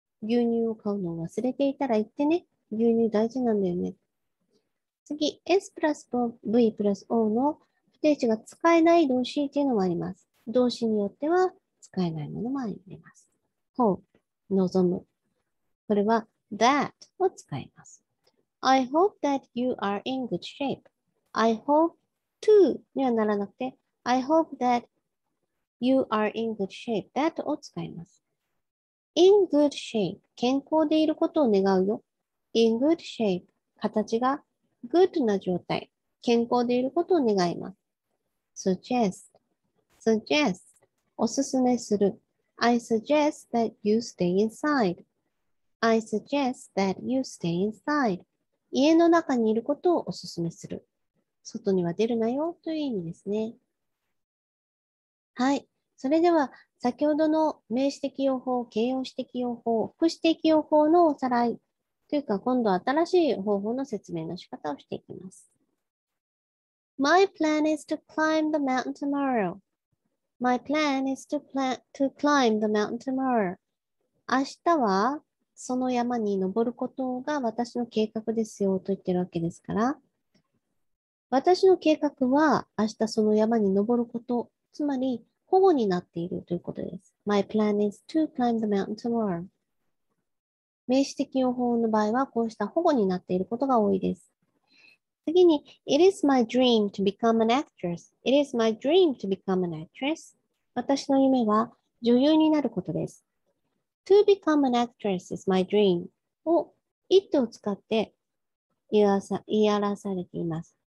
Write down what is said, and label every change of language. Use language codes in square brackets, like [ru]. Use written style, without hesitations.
[ja] 牛乳を買うのを忘れていたら言ってね。牛乳大事なんだよね。次、S プラス V プラス O の不定詞が使えない動詞というのもあります。動詞によっては使えないものもあります。 Hope、望む。これは、that を使います。 [en] I hope that you are in good shape. I hope to [ja] にはならなくて、 [en] I hope that you are in good shape. [ja] that を使います。 [en] in good shape [ja] 健康でいることを願うよ。 [en] in good shape [ja] 形が good な状態、健康でいることを願います。 [en] suggest [ja] おすすめする。 [en] I suggest that you stay inside. I suggest that you stay inside. [ja] 家の中にいることをおすすめする。外には出るなよという意味ですね。はい。それでは、先ほどの名詞的用法、形容詞的用法、副詞的用法のおさらい。というか、今度は新しい方法の説明の仕方をしていきます。 [en] My plan is to climb the mountain tomorrow. My plan is to, plan to climb the mountain tomorrow. [ja] 明日は、その山に登ることが私の計画ですよと言ってるわけですから、私の計画は明日その山に登ること、つまり保護になっているということです。 [en] My plan is to climb the mountain tomorrow. [ja] 名詞的用法の場合はこうした保護になっていることが多いです。次に、 [en] It is my dream to become an actress. It is my dream to become an actress. [ja] 私の夢は女優になることです。 [en] To become an actress is my dream を it [ja] を使って言い表されています。